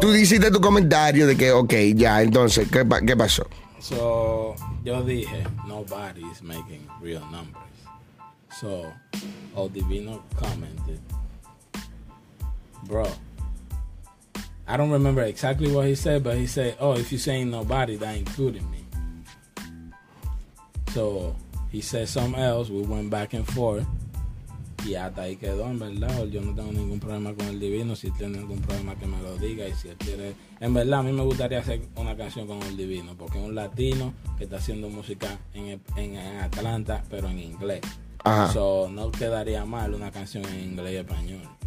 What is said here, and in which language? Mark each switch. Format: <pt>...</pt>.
<es>tú hiciste tu comentario de que, ok, ya, entonces, ¿qué pasó?</es> <en>So,</en> <es>yo dije,</es> <en>nobody is making real numbers. So, Odivino commented, bro, I don't remember exactly what he said, but he said, oh, if you're saying nobody, that included me. So, he said something else, we went back and forth.</en> <es>Y hasta ahí quedó, en verdad. Yo no tengo ningún problema con el Divino. Si tiene algún problema, que me lo diga. Y si él quiere. En verdad, a mí me gustaría hacer una canción con el Divino. Porque es un latino que está haciendo música en Atlanta, pero en inglés. Ajá. So, no quedaría mal una canción en inglés y español.</es>